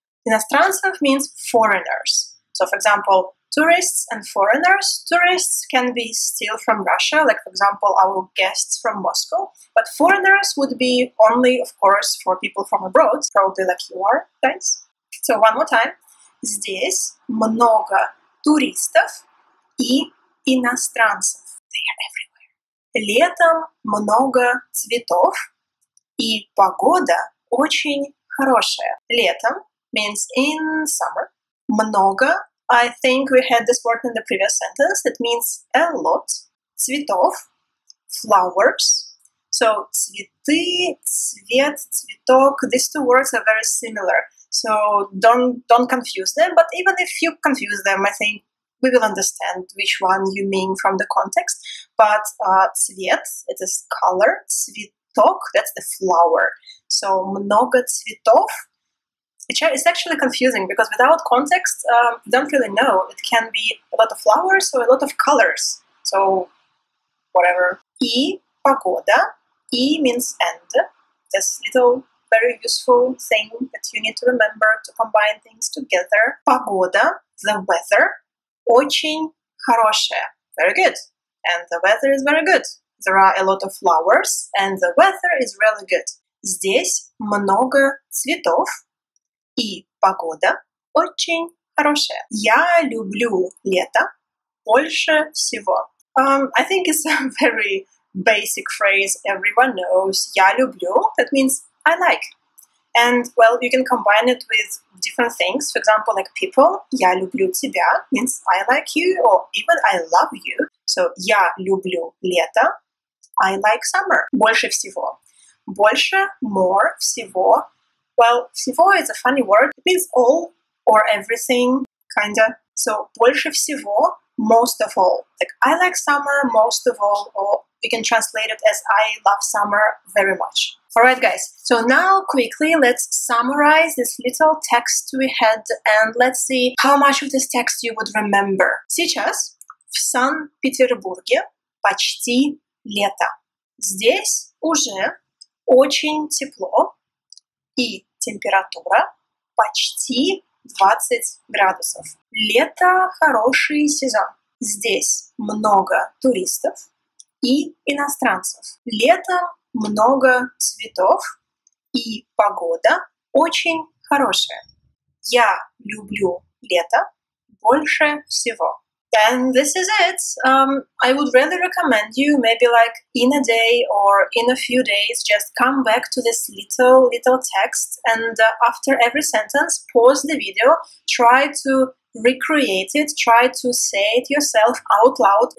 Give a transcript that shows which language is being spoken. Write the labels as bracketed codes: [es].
[en] Иностранцев means foreigners. So, for example, tourists and foreigners. Tourists can be still from Russia, like, for example, our guests from Moscow. But foreigners would be only, of course, for people from abroad, probably like you are, guys. So, one more time. [ru] Здесь много туристов и иностранцев. [en] They are everywhere. [ru] Летом много цветов и погода очень хорошая. [en] Летом means in summer. Много, I think we had this word in the previous sentence, it means a lot. Цветов, flowers. So, цветы, цвет, цветок, these two words are very similar. So don't confuse them, but even if you confuse them, I think we will understand which one you mean from the context. But цвет, it is color, цветок, that's the flower. So [ru] много цветов, [en] it's actually confusing because without context, you don't really know. It can be a lot of flowers or a lot of colors. So whatever. [ru] И погода, [en] и means and, this little very useful thing that you need to remember to combine things together. Погода, the weather, [ru] очень хорошая. [en] Very good. And the weather is very good. There are a lot of flowers, and the weather is really good. [ru] Здесь много цветов, и погода очень хорошая. Я люблю лето больше всего. [en] I think it's a very basic phrase everyone knows. [ru] Я люблю, [en] that means I like. And, well, you can combine it with different things. For example, like people, [ru] я люблю тебя [en] means I like you, or even I love you. [ru] So, я люблю лето, [en] I like summer. [ru] Больше всего. [en] Больше, more, всего. Well, всего is a funny word. It means all or everything, kinda. So, [ru] больше всего, [en] most of all. Like, I like summer most of all, or we can translate it as I love summer very much. Alright guys, so now quickly let's summarize this little text we had and let's see how much of this text you would remember. [ru] Сейчас в Санкт-Петербурге почти лето. Здесь уже очень тепло и температура почти 20 градусов. Лето хороший сезон. Здесь много туристов и иностранцев. Лето много цветов, и погода очень хорошая. Я люблю лето больше всего. [en] And this is it. I would really recommend you maybe like in a day or in a few days just come back to this little text and after every sentence pause the video, try to recreate it, try to say it yourself out loud.